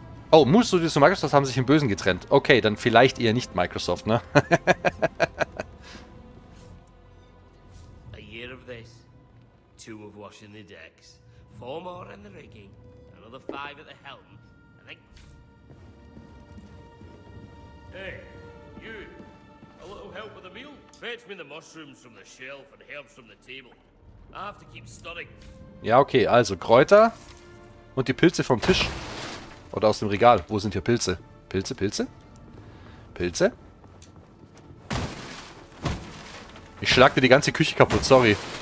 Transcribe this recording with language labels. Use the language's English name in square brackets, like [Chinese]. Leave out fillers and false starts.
[German] Oh, Musso und Microsoft haben sich im Bösen getrennt. Okay, dann vielleicht eher nicht Microsoft, ne? [English] A year of this, two of washing the decks, four more in the rigging, another five at the helm. And then... Hey, you, a little help with the meal? Fetch me the mushrooms from the shelf and herbs from the table. I have to keep stirring. [German] Ja, okay, also Kräuter und die Pilze vom Tisch. Oder aus dem Regal. Wo sind hier Pilze? Pilze, Pilze? Pilze? Ich schlag dir die ganze Küche kaputt, sorry.